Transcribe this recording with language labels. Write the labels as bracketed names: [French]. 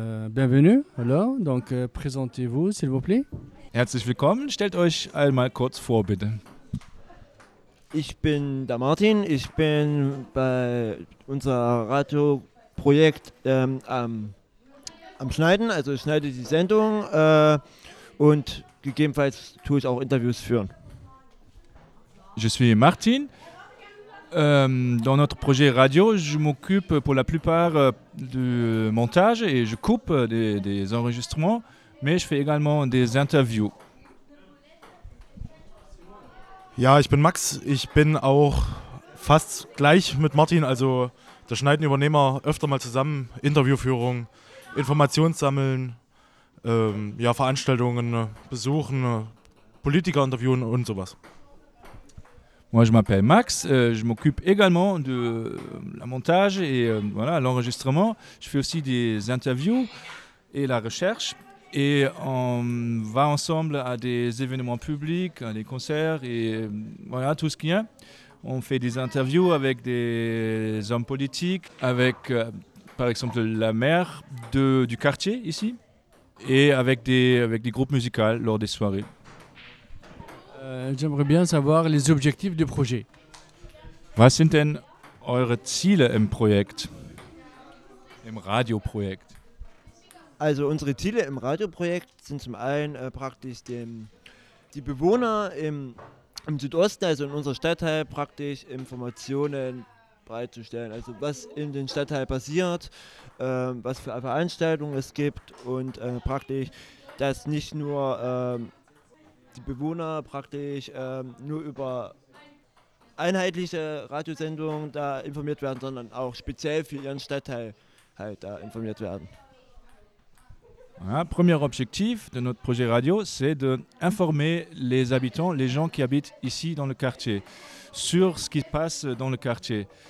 [French] Bienvenue, hallo, donc présentez-vous, s'il vous plaît. [German] Herzlich willkommen, stellt euch einmal kurz vor, bitte. Ich bin der Martin, ich bin bei unserem Radio-Projekt am Schneiden, also ich schneide die Sendung und gegebenenfalls tue ich auch Interviews führen. [French] Je suis Martin. Dans notre projet radio, je m'occupe pour la plupart du montage et je coupe des enregistrements, mais je fais également des interviews. [German] Ja, ich bin Max. Ich bin auch fast gleich mit Martin, also das Schneiden übernehmen wir öfter mal zusammen. Interviewführung, Informationssammeln, Veranstaltungen besuchen, Politiker interviewen und sowas. [French] Moi, je m'appelle Max, je m'occupe également de la montage et l'enregistrement. Je fais aussi des interviews et la recherche. Et on va ensemble à des événements publics, à des concerts et tout ce qu'il y a. On fait des interviews avec des hommes politiques, avec par exemple la maire du quartier ici et avec des groupes musicaux lors des soirées. J'aimerais bien savoir les objectifs du projet. [German] Was sind denn eure Ziele im Projekt, im Radioprojekt? Also unsere Ziele im Radioprojekt sind zum einen praktisch die Bewohner im Südosten, also in unserem Stadtteil praktisch Informationen bereitzustellen. Also was in den Stadtteil passiert, was für Veranstaltungen es gibt und praktisch, dass nicht nur die Bewohner praktisch nur über einheitliche Radiosendungen da informiert werden, sondern auch speziell für ihren Stadtteil halt da informiert werden. [French] Voilà, premier objectif de notre projet radio, c'est d'informer les habitants, les gens qui habitent ici dans le quartier, sur ce qui se passe dans le quartier.